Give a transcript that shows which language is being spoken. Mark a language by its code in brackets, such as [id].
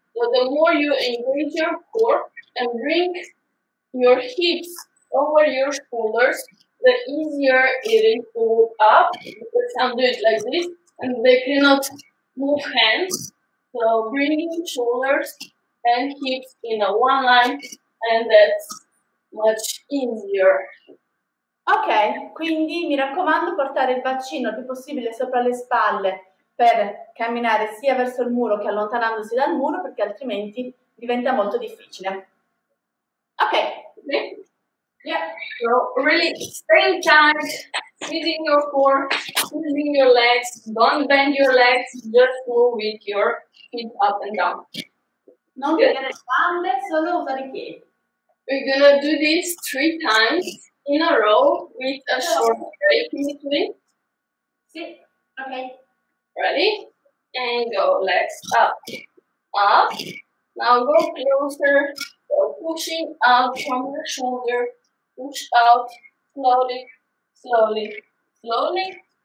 [en] So the more you engage your core and bring your hips over your shoulders, the easier it is to walk up. Because some do it like this, and they cannot move hands. So bringing shoulders and hips in a one line, and that's much easier. [it] Okay, quindi mi raccomando portare il bacino il più possibile sopra le spalle per camminare sia verso il muro che allontanandosi dal muro, perché altrimenti diventa molto difficile. Ok. [en] Yeah. So really, same time, squeezing your core, squeezing your legs, don't bend your legs, just move with your feet up and down. [it] Non piegare le spalle, solo usare i piedi. [en] We're gonna do this three times in a row with a short break in between. [it] Sì, ok. [en] Ready? And go, legs up, up. Now go closer, so pushing out from your shoulder, push out slowly, slowly, slowly.